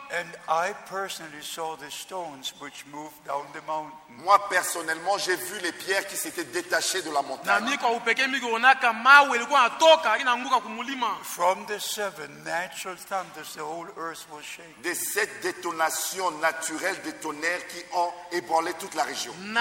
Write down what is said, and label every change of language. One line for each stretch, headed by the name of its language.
English: And I personally saw the stones which moved down the mountain.
French: Moi personnellement, j'ai vu les pierres qui s'étaient détachées de la montagne.
English: From the seven natural thunders, the whole earth was shaken.
French: Des sept détonations naturelles des tonnerres qui ont ébranlé toute la région.